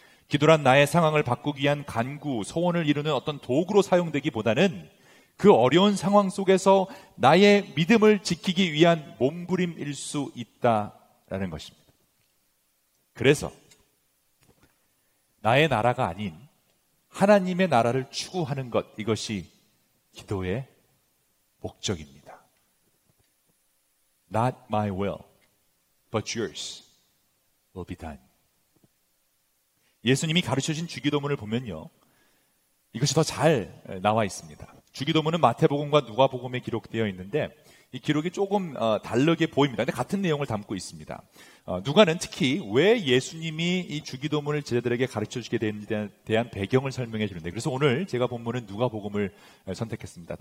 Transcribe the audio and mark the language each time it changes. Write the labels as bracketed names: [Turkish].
[Korean] 기도란 나의 상황을 바꾸기 위한 간구, 소원을 이루는 어떤 도구로 사용되기보다는 그 어려운 상황 속에서 나의 믿음을 지키기 위한 몸부림일 수 있다라는 것입니다. 그래서 나의 나라가 아닌 하나님의 나라를 추구하는 것, 이것이 기도의 목적입니다. [English] Not my will, but yours will be done. [Korean] 예수님이 가르쳐주신 주기도문을 보면요, 이것이 더 잘 나와 있습니다. 주기도문은 마태복음과 누가복음에 기록되어 있는데 이 기록이 조금 다르게 보입니다. 근데 같은 내용을 담고 있습니다. 누가는 특히 왜 예수님이 이 주기도문을 제자들에게 가르쳐주게 되는지에 대한 배경을 설명해 주는데 그래서 오늘 제가 본문은 누가복음을 선택했습니다.